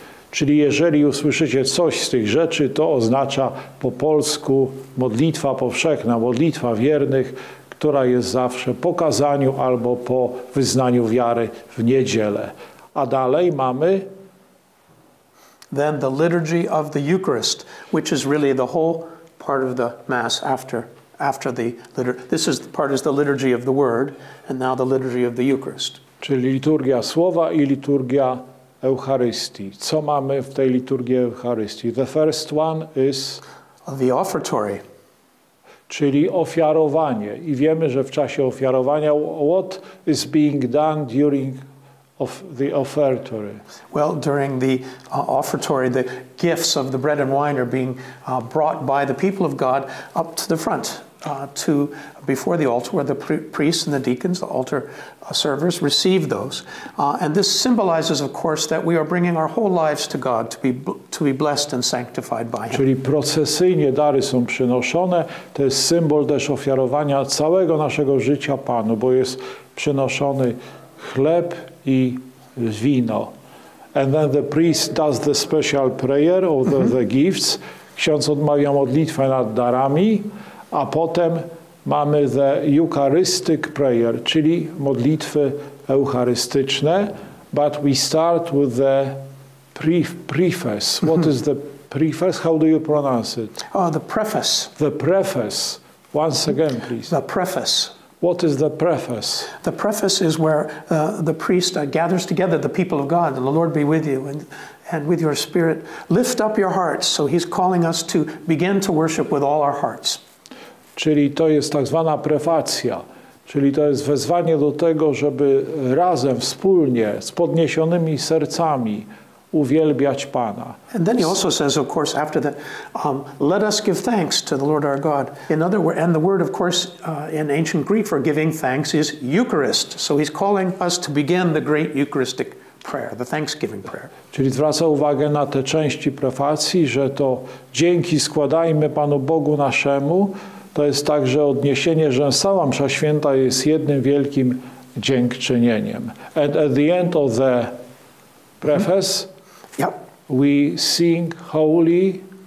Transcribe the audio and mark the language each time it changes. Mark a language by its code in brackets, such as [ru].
[pl] Czyli jeżeli usłyszycie coś z tych rzeczy, to oznacza po polsku modlitwa powszechna, modlitwa wiernych, która jest zawsze po kazaniu albo po wyznaniu wiary w niedzielę. A dalej mamy... [en] Then the liturgy of the Eucharist, which is really the whole part of the Mass after the liturgy. This is the part is the liturgy of the Word and now the liturgy of the Eucharist. [pl] Czyli liturgia Słowa i liturgia Eucharystii. Co mamy w tej liturgii Eucharystii? [en] The first one is... The offertory. [pl] czyli ofiarowanie. I wiemy, że w czasie ofiarowania, [en] what is being done during of the offertory? Well, during the offertory, the gifts of the bread and wine are being brought by the people of God up to the front, to before the altar, where the priests and the deacons, the altar servers, receive those. And this symbolizes, of course, that we are bringing our whole lives to God to be blessed and sanctified by Him. [pl] Czyli procesyjnie dary są przynoszone. To jest symbol też ofiarowania całego naszego życia Panu, bo jest przynoszony chleb i wino. [en] And then the priest does the special prayer of the gifts. [pl] Ksiądz odmawia modlitwę nad darami, a potem mamy [en] the Eucharistic prayer, [pl] czyli modlitwy eucharystyczne, [en] but we start with the preface. What is the preface? How do you pronounce it? The preface. The preface. Once again, please. The preface. What is the preface? The preface is where the priest gathers together the people of God, and the Lord be with you and with your spirit. Lift up your hearts. So he's calling us to begin to worship with all our hearts. [pl] Czyli to jest tak zwana prefacja. Czyli to jest wezwanie do tego, żeby razem, wspólnie, z podniesionymi sercami uwielbiać Pana. [en] And then he also says, of course, after that, let us give thanks to the Lord our God. In other words, and the word, of course, in ancient Greek for giving thanks is Eucharist. So he's calling us to begin the great Eucharistic prayer, the Thanksgiving prayer. [pl] Czyli zwraca uwagę na te części prefacji, że to dzięki składajmy Panu Bogu naszemu. To jest także odniesienie, że cała msza święta jest jednym wielkim dziękczynieniem. [en] And at the end of the preface, we sing holy.